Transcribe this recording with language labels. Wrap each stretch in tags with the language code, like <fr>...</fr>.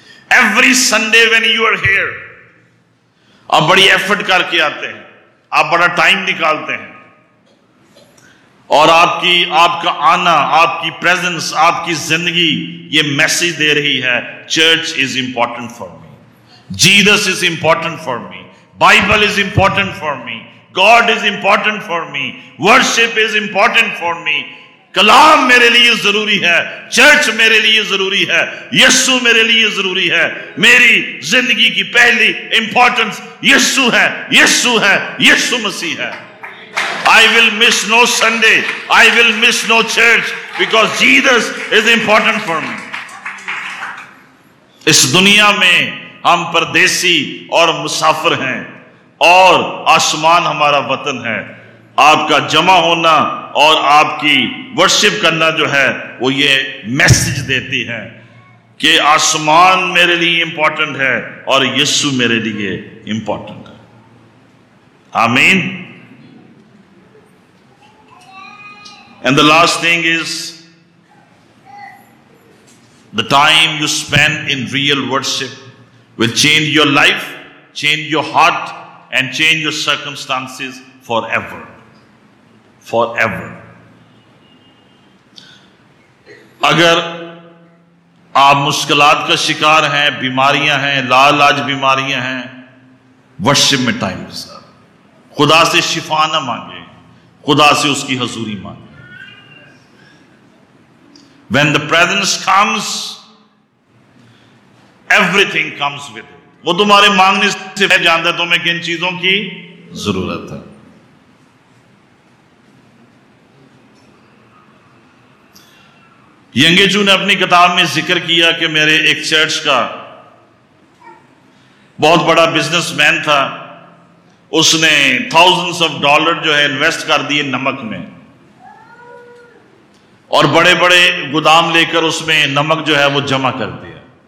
<en>every Sunday when you are here</en> <ur>آپ بڑی effort کر کے آتے ہیں آپ بڑا ٹائم نکالتے ہیں اور آپ کا آنا آپ کی پریزنس آپ کی زندگی یہ میسج دے رہی ہے</ur> <en>church is important for me Jesus is important for me Bible is important for me God is important for me worship is important for me</en> <ur>کلام میرے لیے ضروری ہے چرچ میرے لیے ضروری ہے یسوع میرے لیے ضروری ہے میری زندگی کی پہلی امپورٹنس یسوع ہے یسوع ہے یسوع مسیح ہے.</ur> <en>I will miss no Sunday. I will miss no church because Jesus is important for me.</en> <ur>اس دنیا میں ہم پردیسی اور مسافر ہیں اور آسمان ہمارا وطن ہے. آپ کا جمع ہونا اور آپ کی ورشپ کرنا جو ہے وہ یہ میسج دیتی ہے کہ آسمان میرے لیے امپورٹنٹ ہے اور یسوع میرے لیے امپورٹنٹ ہے. آمین.</ur> <en>And the last thing is the time you spend in real worship will change your life, change your heart and change your circumstances forever. Forever.</en> <ur>اگر آپ مشکلات کا شکار ہیں, بیماریاں ہیں, لاعلاج بیماریاں ہیں, ورشپ میں ٹائم گزار, خدا سے شفا نہ مانگے, خدا سے اس کی حضوری مانگے.</ur> <en>When the presence comes, everything comes with it.</en> <ur>وہ تمہارے مانگنے سے پہلے جانتا ہے تمہیں کن چیزوں کی ضرورت ہے. ینگے جو نے اپنی کتاب میں ذکر کیا کہ میرے ایک چرچ کا بہت بڑا بزنس مین تھا, اس نے تھاؤزنڈز آف ڈالر جو ہے انویسٹ کر دیے نمک میں, اور بڑے بڑے گودام لے کر اس میں نمک جو ہے وہ جمع کر دیا,</ur>